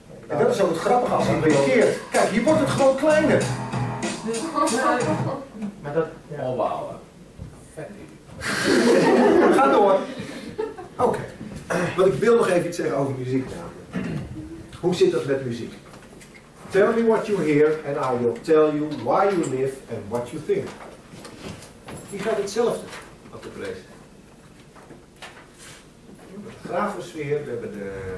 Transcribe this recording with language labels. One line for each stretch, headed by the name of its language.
Dutch: En dat is ook het grappige als het reageert. Kijk, hier wordt het gewoon kleiner. Maar dat... Ja. Oh, wauw. Ga door. Oké. Okay. Want ik wil nog even iets zeggen over muziek namelijk. Hoe zit dat met muziek?
English: Tell me what you hear and I will tell you why you live and what you think.
Dutch: Wie gaat hetzelfde op de prijs? We hebben de grafosfeer, we hebben de...